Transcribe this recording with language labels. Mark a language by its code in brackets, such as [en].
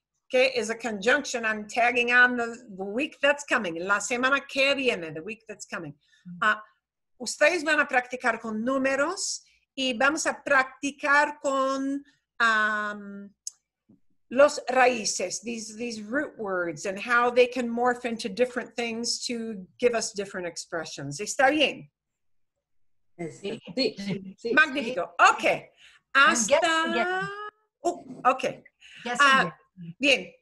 [en] Que is a conjunction I'm tagging on the week that's coming. [es] La semana que viene, [en] the week that's coming. [es] Ustedes van a practicar con números y vamos a practicar con... los raíces, [en] these root words, and how they can morph into different things to give us different expressions. [es] ¿Está bien? Sí. Magnífico. Okay. Hasta... Oh, okay. Bien.